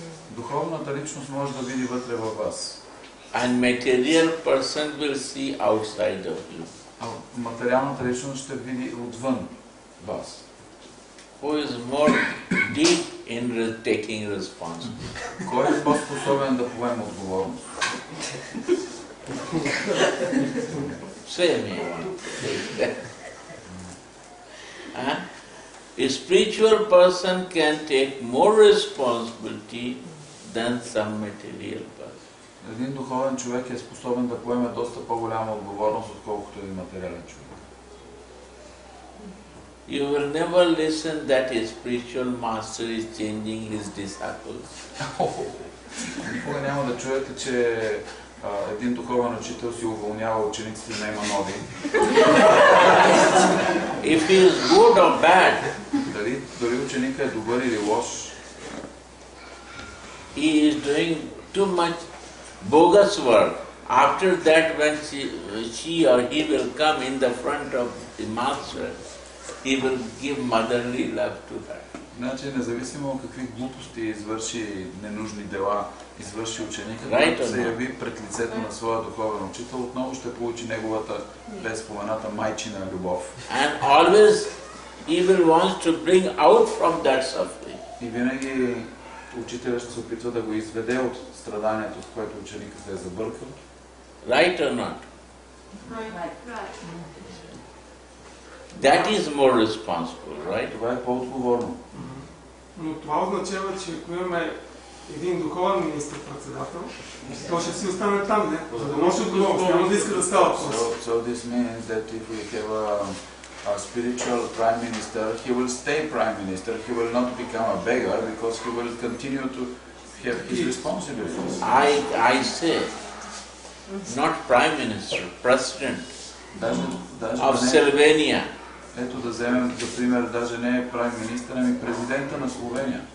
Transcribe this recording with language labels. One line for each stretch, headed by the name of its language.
Bulgarian: Духовната личност може да види вътре във вас.
English: And material person will see outside of you.
Bulgarian: Материалната личност ще види отвън вас.
English: Who is more deep in taking responsibility?
Bulgarian: Кой е по-способен да поеме отговорност?
English: Same here. A spiritual person can take more responsibility than some material person.
Bulgarian: Един духовен човек е способен да поеме доста по-голяма отговорност, отколкото един материален човек.
English: You will never listen that a spiritual master is changing his disciples.
Bulgarian: Никога няма да чуете, че един духовен учител си уволнява учениците и няма нови.
English: If he is good or bad,
Bulgarian: дали ученика е добър или лош,
English: he is doing too much bogus work. After that, when she or he will come in the front of the master, he will give motherly love to her.
Bulgarian: Значи, независимо какви глупости извърши, ненужни дела извърши ученика, right, когато се яви пред лицето на своя духовен учител, отново ще получи неговата безпомената майчина любов.
English: And always he will want to bring out from that suffering.
Bulgarian: И винаги учителят ще се опитва да го изведе от страданието, с което ученикът се е забъркал.
English: Right or not? Right. That is more responsible, right?
Bulgarian: Това е по-отговорно. Но това означава, че ако имаме един духовен министър-председател, то ще си остане там, не? За да носи отговорност, няма да иска да става отговорност.
English: So this means that if we have a spiritual prime minister, he will stay prime minister, he will not become a beggar, because he will continue to have his responsibilities. I say, not prime minister, president of Slovenia.
Bulgarian: ето да вземем за пример даже не прави министър, ами президента на Словения.